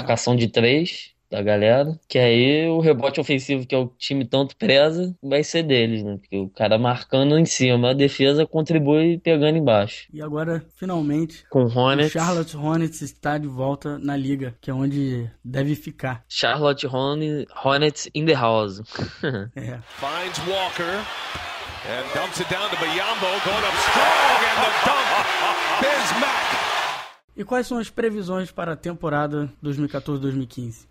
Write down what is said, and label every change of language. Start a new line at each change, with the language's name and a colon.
Portuguese: marcação de três da galera. Que aí o rebote ofensivo, que é o time tanto preza, vai ser deles, né? Porque o cara marcando em cima, a defesa contribui pegando embaixo. E agora, finalmente, Com o Hornets. Charlotte Hornets está de volta na liga, que é onde deve ficar.
English: Charlotte Hornets in the house.
Portuguese: É.
English: Finds Walker and dumps it down to Biyombo, going up strong and the dunk. Bismack.
Portuguese: E quais são as previsões para a temporada 2014-2015?